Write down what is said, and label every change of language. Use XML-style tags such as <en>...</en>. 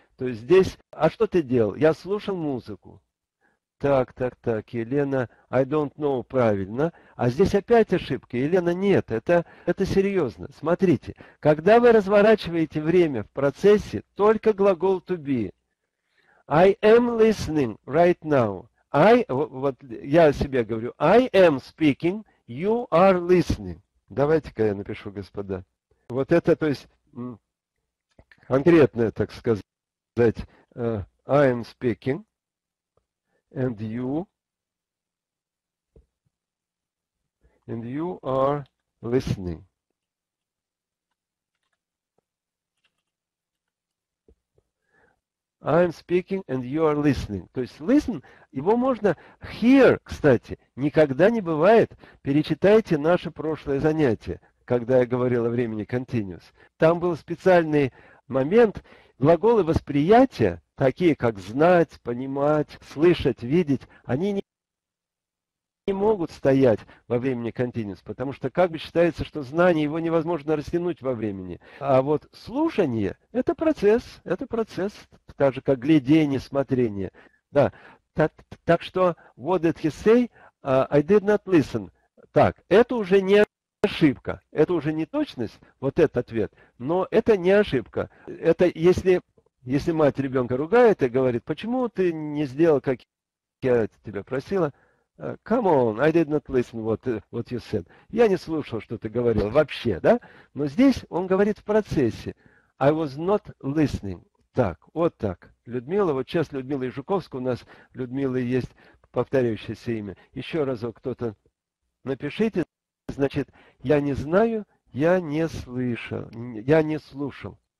<ru>То есть здесь, а что ты делал? Я слушал музыку. Так, Елена,</ru> <en>I don't know,</en> <ru>правильно. А здесь опять ошибки. Елена, нет, это серьезно. Смотрите, когда вы разворачиваете время в процессе, только глагол to be.</ru> <en>I am listening right now. I,</en> <ru>вот я себе говорю,</ru> <en>I am speaking, you are listening.</en> <ru>Давайте-ка я напишу, господа. Вот это, то есть, конкретное, так сказать,</ru> <en>I am speaking. And you are listening. I'm speaking and you are listening.</en> <ru>То есть listen, его можно hear, кстати, никогда не бывает. Перечитайте наше прошлое занятие, когда я говорил о времени continuous. Там был специальный момент, глаголы восприятия, такие как знать, понимать, слышать, видеть, они не могут стоять во времени continuous, потому что как бы считается, что знание, его невозможно растянуть во времени. А вот слушание – это процесс, так же, как глядение, смотрение. Да. Так что,</ru> <en>what did he say? I did not listen.</en> <ru>Так, это уже не ошибка. Это уже не точность, вот этот ответ, но это не ошибка. Это если мать ребенка ругает и говорит, почему ты не сделал, как я тебя просила?</ru> <en>Come on, I did not listen what you said.</en> <ru>Я не слушал, что ты говорил вообще, да? Но здесь он говорит в процессе.</ru> <en>I was not listening.</en> <ru>Так, вот так. Людмила, вот сейчас Людмила Ижуковская, у нас Людмила есть повторяющееся имя. Еще разок кто-то напишите. Значит, я не знаю, я не слышал, я не слушал.</ru>